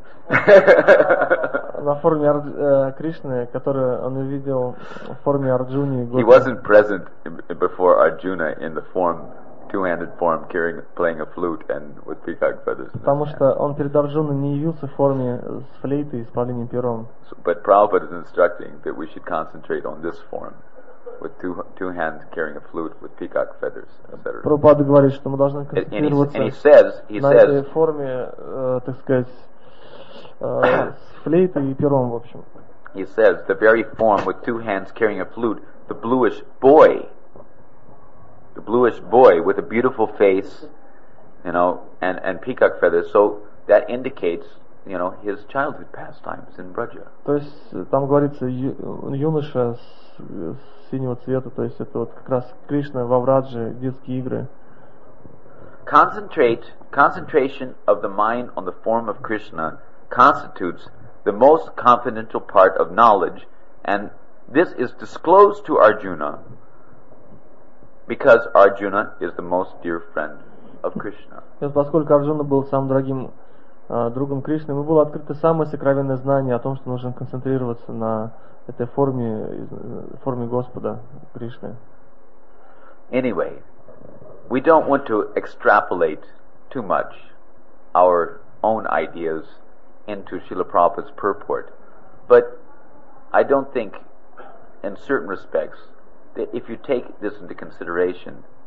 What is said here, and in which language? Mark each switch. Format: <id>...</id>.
<ru>На форме Кришны, которую он увидел в форме Арджуны.</ru> <en>He wasn't present before Arjuna in the form, two-handed form, carrying, playing a flute and with peacock feathers.</en> <ru>Потому что он перед Арджуной не явился в форме с флейтой и с павлиньим пером.</ru> <en>But Prabhupada is instructing that we should concentrate on this form, with two hands carrying a flute with peacock feathers, etc.</en> <ru>Прабхупада говорит, что мы должны концентрироваться.</ru> <en>And he says,</en> <ru>на этой форме, так сказать. С флейтой и пером, в общем.</ru> <en>He says, the very form with two hands carrying a flute, the bluish boy with a beautiful face, you know, and peacock feathers, so that indicates, you know, his childhood pastimes in Braja.</en> <ru>То есть там говорится, юноша с синего цвета, то есть это вот как раз Кришна во Врадже, детские игры.</ru> <en>Concentration of the mind on the form of Krishna constitutes the most confidential part of knowledge, and this is disclosed to Arjuna because Arjuna is the most dear friend of Krishna.</en> <ru>Поскольку Арджуна был самым дорогим другом Кришны, ему было открыто самое сокровенное знание о том, что нужно концентрироваться на этой форме Господа Кришны.</ru> <en>Anyway, we don't want to extrapolate too much our own ideas into Srila Prabhupada's purport. But I don't think, in certain respects, that if you take this into consideration,</en>